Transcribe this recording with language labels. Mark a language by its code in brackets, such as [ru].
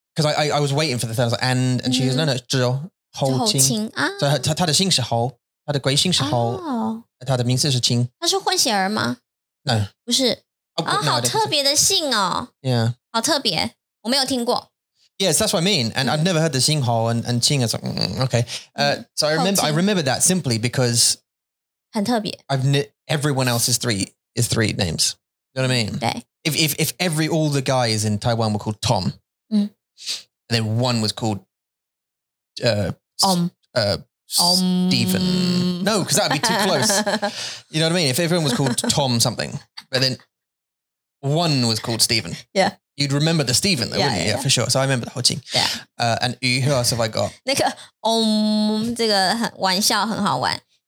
[en] Because I was waiting for the third, I was like, and she goes, no, [zh] 只有后青。后青啊。所以他的姓是后，他的贵姓是后，他的名字是青。他是混血儿吗？ [en] No. [zh] 不是。哦、oh, oh, 好特别的姓哦 [en] yeah [zh] 好特别我没有听过 [en] yes that's what I mean and I've never heard the [zh] 姓侯 [en] and 姓 is like, okay so I remember that simply because [zh] 很特别 [en] everyone else is three names you know what I mean [zh] 对 [en] if every all the guys in Taiwan were called Tom and then one was called Stephen no because that'd be too close you know what I mean if everyone was called Tom something but thenOne was called Stephen. Yeah. You'd remember the Stephen though, wouldn't you? Yeah, for sure. So I remember the Ho Ching. Yeah. And who else have I got? [zh] 那个 Om, 这个玩笑很好玩。